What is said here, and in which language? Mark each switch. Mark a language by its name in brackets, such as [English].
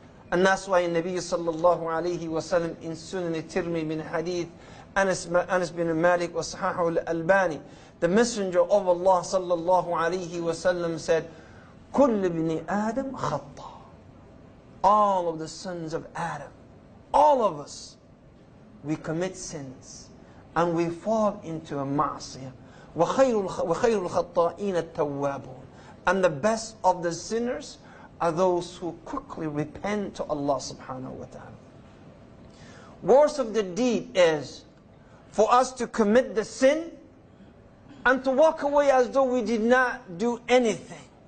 [English] And that's why in Nabi sallallahu alayhi wa sallam, in Sunan al-Tirmidhi min hadith, Anas bin Malik wa Sahih al-Albani, the messenger of Allah sallallahu alayhi wa sallam said, [Arabic] كل ابن آدم خطا. [English] All of the sons of Adam, all of us, we commit sins and we fall into a ma'asiyah. [Arabic] وخير الخطائين التوابون. [English] And the best of the sinners are those who quickly repent to Allah subhanahu wa ta'ala. Worst of the deed is for us to commit the sin and to walk away as though we did not do anything.